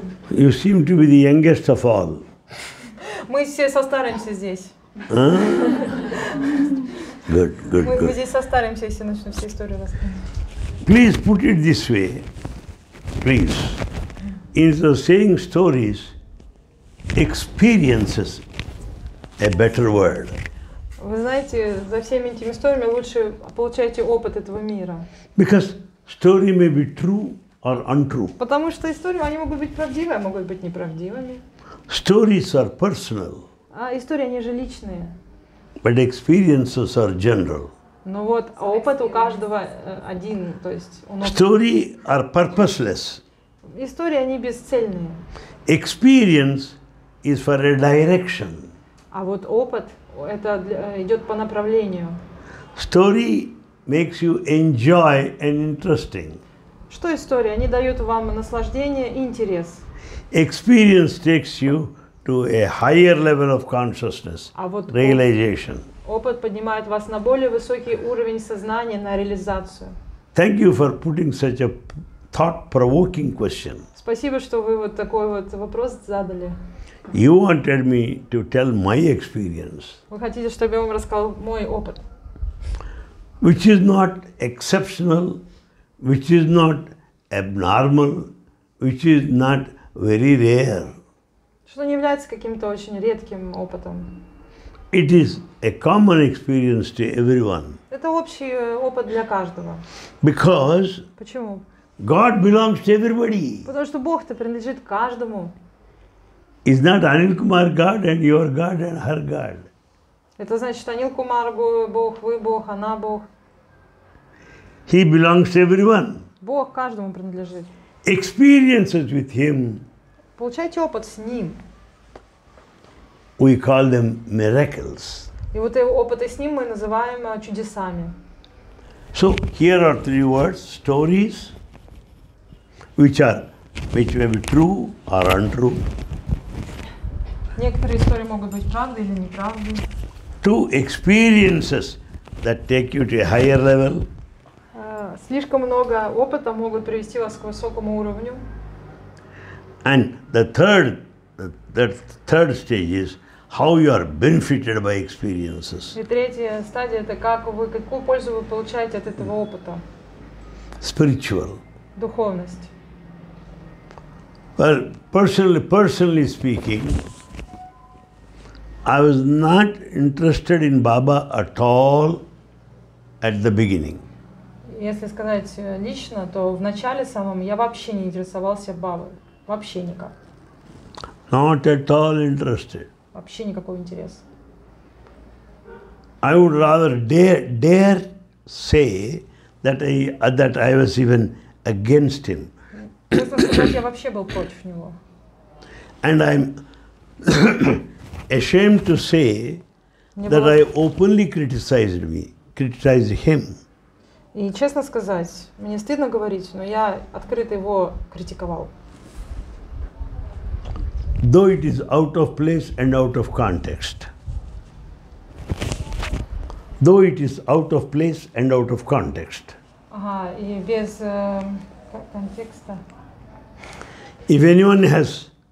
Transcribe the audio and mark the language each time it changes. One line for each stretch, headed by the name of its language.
English: You seem to be the youngest of all.
Russian: Мы все состаримся здесь.
English: Good.
Russian: Мы здесь состаримся, если начнем все истории рассказывать.
English: Please put it this way, please, instead of saying stories, experiences a better world.
Russian: Вы знаете, за всеми этими историями лучше получаете опыт этого мира.
English: Because story may be true or untrue.
Russian: Потому что истории, они могут быть правдивыми, а могут быть неправдивыми.
English: Stories are personal.
Russian: А истории, они же личные.
English: But experiences are general.
Russian: Ну вот, а опыт у каждого один, то есть он.
English: Story are purposeless.
Russian: Истории они бесцельные.
English: Experience is for a direction.
Russian: А вот опыт это идет по направлению.
English: Story makes you enjoy and interesting.
Russian: Что история? Они дают вам наслаждение и интерес.
English: Experience takes you to a higher level of consciousness.
Russian: А вот
English: realization.
Russian: Опыт поднимает вас на более высокий уровень сознания, на реализацию.
English: Thank you for putting such a thought-provoking question.
Russian: Спасибо, что вы вот такой вот вопрос задали.
English: You wanted me to tell my experience.
Russian: Вы хотите, чтобы я вам рассказал мой опыт.
English: Which is not exceptional, which is not abnormal, which is not very rare.
Russian: Что не является каким-то очень редким опытом.
English: It is a common experience to everyone.
Russian: Это общий опыт для каждого.
English: Because.
Russian: Почему?
English: God belongs to everybody.
Russian: Потому что Бог-то принадлежит каждому.
English: Is not Anil Kumar God and your God and her God?
Russian: Это значит, что Анил Кумар Бог, вы Бог, она Бог.
English: He belongs to everyone.
Russian: Бог каждому принадлежит.
English: Experiences with Him.
Russian: Получайте опыт с Ним.
English: We call them miracles.
Russian: И вот опыты с ним мы называем чудесами.
English: So here are three words: stories, which may be true or untrue.
Russian: Некоторые истории могут быть правдой или неправдой.
English: Two experiences that take you to a higher level.
Russian: Слишком много опыта могут привести вас к высокому уровню.
English: And the third stage is. How you are benefited by experiences.
Russian: И третья стадия это как вы какую пользу вы получаете от этого опыта.
English: Spiritual.
Russian: Духовность.
English: Well, personally speaking, I was not interested in Baba at all at the beginning.
Russian: Если сказать лично, то в начале самом я вообще не интересовался Бабой. Вообще никак.
English: Not at all interested.
Russian: Вообще никакого интереса.
English: I would rather dare say that I was even against him.
Russian: Я вообще был против него.
English: And I'm ashamed to say that I openly criticized him.
Russian: И честно сказать, мне стыдно говорить, но я открыто его критиковал.
English: Though it is out of place and out of context. Though it is out of place and out of context.
Russian: Ага, и без контекста.
English: If anyone has...